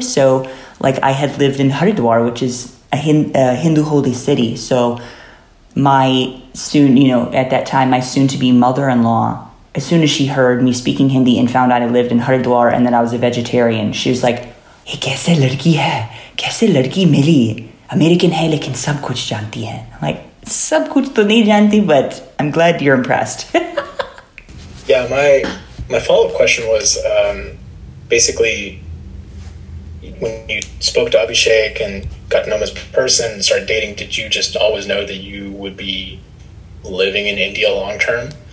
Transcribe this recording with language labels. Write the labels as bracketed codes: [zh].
[en] So like I had lived in Haridwar, which is a Hindu holy city. So my soon to be mother-in-law, as soon as she heard me speaking Hindi and found out I lived in Haridwar and that I was a vegetarian, she was like, "Hey, [hi] kaise ladki hai? कैसे लड़की मिली? American है, लेकिन सब कुछ जानती है।" [en] Like, [hi] सब कुछ तो नहीं जानती, [en] but I'm glad you're impressed. Yeah, my follow-up question was, basically, when you spoke to Abhishek and got to know this person and started dating, did you just always know that you would be living in India long-term?